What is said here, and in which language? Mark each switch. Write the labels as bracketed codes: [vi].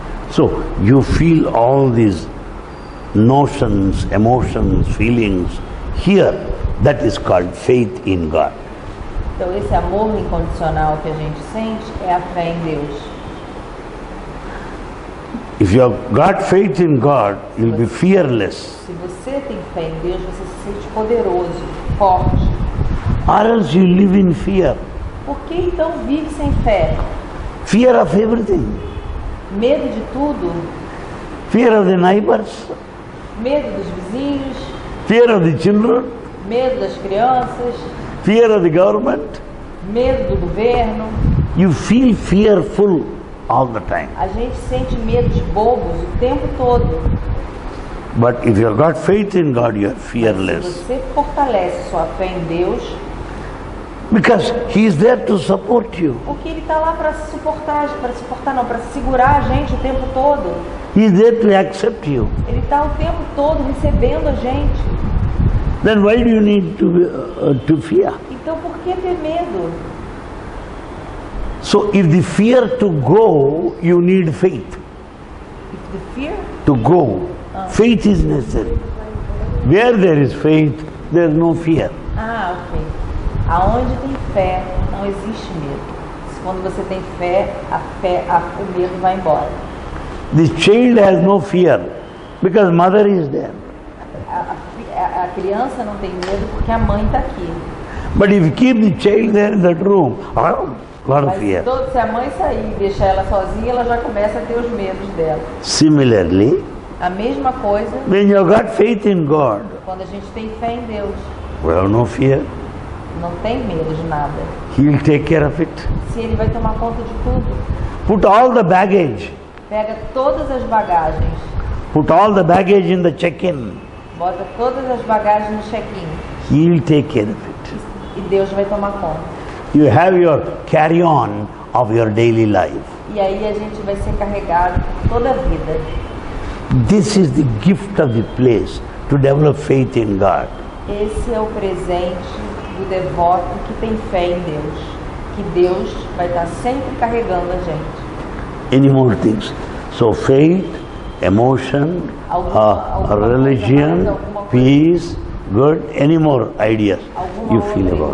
[en] So, you feel all these notions, emotions, feelings here, that is called faith in God. [pt] Então, esse amor incondicional que a gente sente é a fé em Deus. [en] If you have got faith in God, you'll be fearless. [pt] Se você tem fé em Deus, você se sente poderoso, forte. [en] Or else you live in fear. [pt] Por que então vive sem fé? [en] Fear of everything. [pt] Medo de tudo. [en] Fear of the neighbors. [pt] Medo dos vizinhos. [en] Fear of the children. [pt] Medo das crianças. [en] Fear of the government. [pt] Medo do governo. [en] You feel fearful all the time. [pt] A gente sente medo de bobos o tempo todo. [en] But if you have got faith in God, you are fearless. [pt] Mas se você fortalece sua fé em Deus. [en] Because He is there to support you. [pt] Porque Ele está lá para suportar, para segurar a gente o tempo todo. [en] He is there to accept you. [pt] Ele está o tempo todo recebendo a gente. [en] Then why do you need to fear? [pt] Então por que ter medo? [en] So if the fear to go, you need faith. If the fear? To go. Faith is necessary. Where there is faith, there is no fear. [pt] Ah, ok. Aonde tem fé, não existe medo. Quando você tem fé, o medo vai embora. [en] The child has no fear, because mother is there. [pt] A criança não tem medo porque a mãe está aqui. [en] But if you keep the child there in that room, a lot of fear. [pt] Se a mãe sair e deixar ela sozinha, ela já começa a ter os medos dela. [en] Similarly, [pt] a mesma coisa, [en] when you have got faith in God, [pt] quando a gente tem fé em Deus, [en] well, no fear. [pt] Não tem medo de nada. [en] He'll take care of it. [pt] Sim, ele vai tomar conta de tudo. [en] Put all the baggage. [pt] Pega todas as bagagens. [en] Put all the baggage in the check-in. [pt] Bota todas as bagagens no check-in. [en] He'll take care of it. [pt] E Deus vai tomar conta. [en] You have your carry-on of your daily life. [pt] E aí a gente vai ser carregado toda a vida. [en] This is the gift of the place to develop faith in God. [pt] Esse é o presente do devoto que tem fé em Deus. que Deus vai estar sempre carregando a gente. [en] Any more things? So faith, emotion, religion, peace, good, any more ideas you feel about?